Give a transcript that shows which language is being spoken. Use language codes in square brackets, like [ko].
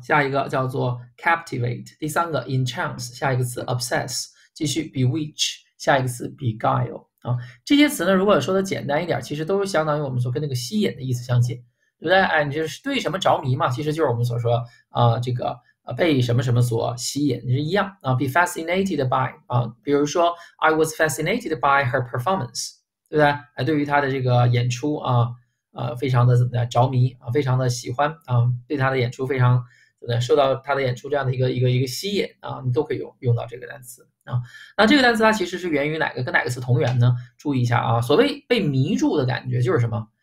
[zh] 下一个叫做 captivate，第三个 enchance，下一个词 obsess，继续 bewitch，下一个词 beguile。啊，这些词呢，如果说的简单一点，其实都是相当于我们说跟那个吸引的意思相近，对不对？哎，你就是对什么着迷嘛，其实就是我们所说啊，这个被什么什么所吸引，就是一样啊。 [en] Be fascinated by [zh] 啊，比如说 [en] I was fascinated by her performance， [zh] 对不对？哎，对于她的这个演出啊，非常的怎么的着迷啊，非常的喜欢啊，对她的演出非常怎么的受到她的演出这样的一个吸引啊，你都可以用到这个单词。啊，那这个单词它其实是源于哪个？跟哪个词同源呢？注意一下啊，所谓被迷住的感觉就是什么？